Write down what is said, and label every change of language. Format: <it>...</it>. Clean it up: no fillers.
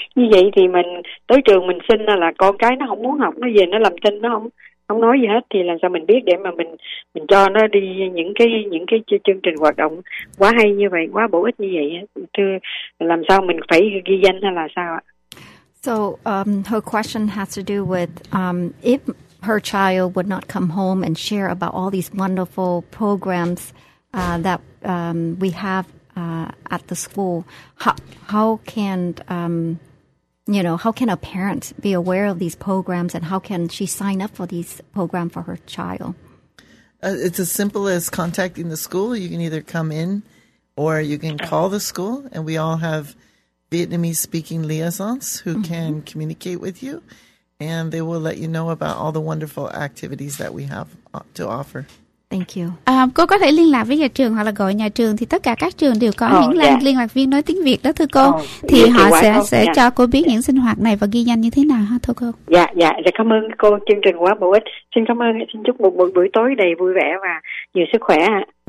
<vi>Như vậy thì mình tới trường mình xin là con cái nó không muốn học, nó về nó làm tin, nó không nói gì hết thì làm sao mình biết để mà mình cho nó đi những cái chương trình hoạt động quá hay như vậy, quá bổ ích như vậy. Thưa, làm sao mình phải ghi danh hay là sao ạ?</vi> <en>So her question has to do with if her child would not come home and share about all these wonderful programs that we have at the school, how can a parent be aware of these programs and how can she sign up for these programs for her child? It's as simple as contacting the school. You can either come in or you can call the school, and we all have Vietnamese-speaking liaisons who mm-hmm. can communicate with you, and they will let you know about all the wonderful activities that we have to offer. Thank you.</en> <vi>Cô có thể liên lạc với nhà trường hoặc là gọi nhà trường thì tất cả các trường đều có những liên lạc viên nói tiếng Việt đó thưa cô. Thì họ sẽ cho cô biết những sinh hoạt này và ghi danh như thế nào ha thưa cô. Dạ, cảm ơn cô, chương trình quá bổ ích. Xin cảm ơn, xin chúc một buổi tối đầy vui vẻ và nhiều sức khỏe ạ.</vi>